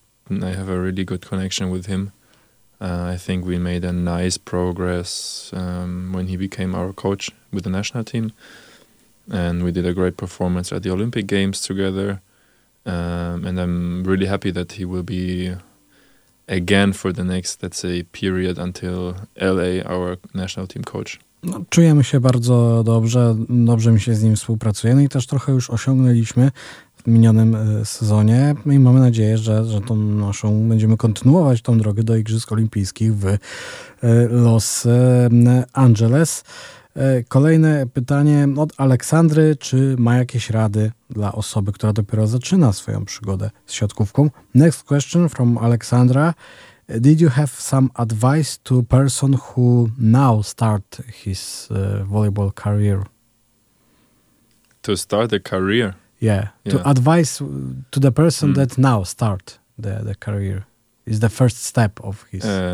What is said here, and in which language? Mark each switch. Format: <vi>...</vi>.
<en>I have a really good connection with him. I think we made a nice progress when he became our coach with the national team. And we did a great performance at the Olympic Games together. And I'm really happy that he will be again for the next, let's say, period until LA, our national team coach.</en> <pl>No, czujemy się bardzo dobrze. Dobrze mi się z nim współpracuje. No i też trochę już osiągnęliśmy w minionym sezonie i mamy nadzieję, że tą naszą będziemy kontynuować tą drogę do Igrzysk Olimpijskich w Los Angeles. Kolejne pytanie od Aleksandry. Czy ma jakieś rady dla osoby, która dopiero zaczyna swoją przygodę z siatkówką?</pl> <en>Next question from Aleksandra. Did you have some advice to person who now start his volleyball career? To start a career? Yeah. To advice to the person that now start the career is the first step of his.</en>